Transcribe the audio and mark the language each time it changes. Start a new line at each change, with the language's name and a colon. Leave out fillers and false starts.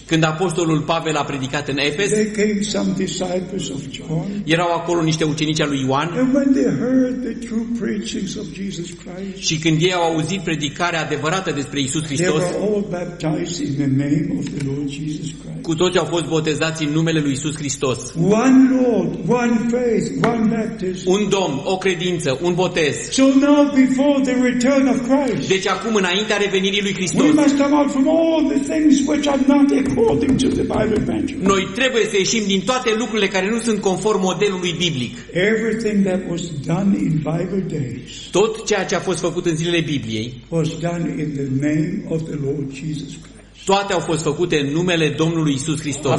Romanian: când apostolul Pavel a predicat în Efes,
English: they there came some disciples of John.
Romanian: Erau acolo niște ucenici al lui Ioan.
English: And when they heard the true preachings of Jesus Christ.
Romanian: Și când ei au auzit predicarea adevărată despre Iisus Hristos.
English: They were all baptized in the name of the Lord Jesus Christ.
Romanian: Cu toți au fost botezați în numele lui Iisus Hristos.
English: One Lord, one faith, one baptism.
Romanian: Un Domn, o credință, un botez.
English: So now before the return of Christ.
Romanian: Deci acum înaintea revenirii lui Hristos.
English: We must come out from all the things which are not according to the Bible.
Romanian: Noi trebuie să ieșim din toate lucrurile care nu sunt conform modelului biblic.
English: Everything that was done in Bible days.
Romanian: Tot ceea ce a fost făcut în zilele Bibliei.
English: Was done in the name of the Lord Jesus Christ.
Romanian: Toate au fost făcute în numele Domnului Iisus Hristos.